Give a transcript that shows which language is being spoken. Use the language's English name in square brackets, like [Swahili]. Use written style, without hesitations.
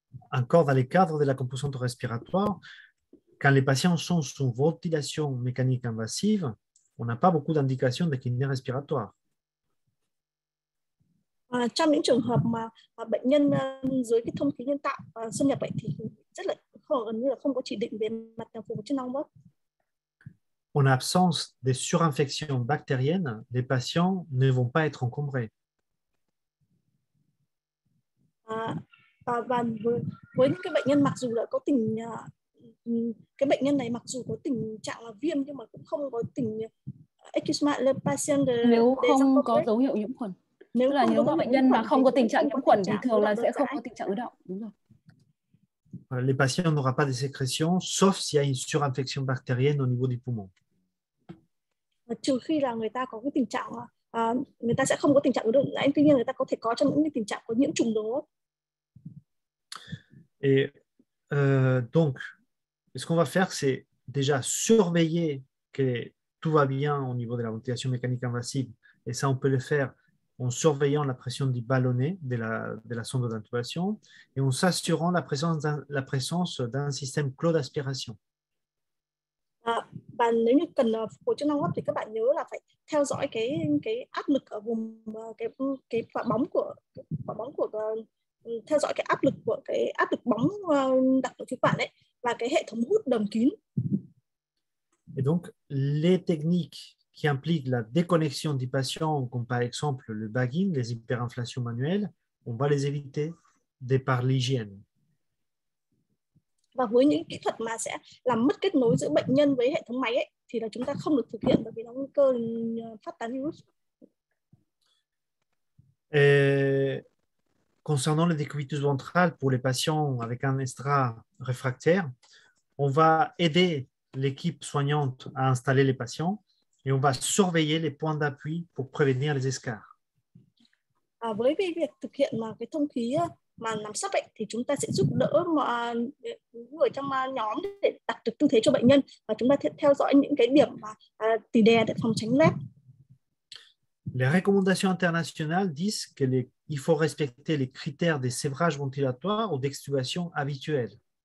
[French] Encore dans les cadres de la composante respiratoire, quand les patients sont sous ventilation mécanique invasive, on n'a pas beaucoup d'indications de kiné respiratoire. [Vietnamese] Trong những trường hợp mà bệnh nhân dưới cái thông khí nhân tạo xâm nhập bệnh thì rất là khó, gần như là không có chỉ định về mặt phục hồi chức năng mất. [French] En absence de surinfection bactérienne, les patients ne vont pas être encombrés. [Vietnamese] Và với những cái bệnh nhân mặc dù là có tình cái bệnh nhân này mặc dù có tình trạng là viêm nhưng mà cũng không có tình eczema [French] le patient de, [Vietnamese] nếu không có dấu hiệu nhiễm khuẩn. Nếu là nếu bệnh nhân mà không có tình trạng nhiễm khuẩn thì thường là sẽ không có tình trạng ứ động. Đúng rồi. [French] Les patients n'aura pas de sécrétion sauf s'il y a une surinfection bactérienne au niveau du poumon. [Vietnamese] Trừ khi là người ta có cái tình trạng người ta sẽ không có tình trạng ứ động, tuy nhiên người ta có thể có trong những tình trạng có nhiễm trùng đường hô hấp. [French] Et donc, ce qu'on va faire, c'est déjà surveiller que tout va bien au niveau de la ventilation mécanique invasive. Et ça, on peut le faire en surveillant la pression du ballonnet de la sonde d'intubation et en s'assurant la présence d'un système clos d'aspiration. [Vietnamese] Bạn nếu như cần phục hồi chức năng hô hấp thì các bạn nhớ là phải theo dõi cái áp lực ở vùng cái quả bóng của theo dõi cái áp lực của cái áp lực bóng đặt ở phía bạn ấy và cái hệ thống hút đầm kín. [French] Et donc les techniques qui impliquent la déconnexion du patient comme par exemple le bagging, les hyperinflations manuelles, on va les éviter de par l'hygiène. [Vietnamese] Và với những kỹ thuật mà sẽ làm mất kết nối giữa bệnh nhân với hệ thống máy ấy thì là chúng ta không được thực hiện bởi vì nó nguy cơ phát tán virus. [French] Concernant le décubitus ventral pour les patients avec un estra réfractaire, on va aider l'équipe soignante à installer les patients et on va surveiller les points d'appui pour prévenir les escarres. [Vietnamese] Với việc thực hiện mà cái thông khí mà nằm sấp bệnh thì chúng ta sẽ giúp đỡ mà người trong nhóm để đặt được tư thế cho bệnh nhân và chúng ta theo dõi những cái điểm mà tỉ đè để phòng tránh lép. [French] Les recommandations internationales disent que il faut respecter les critères des sévrages ventilatoires ou d'extubation habituelles.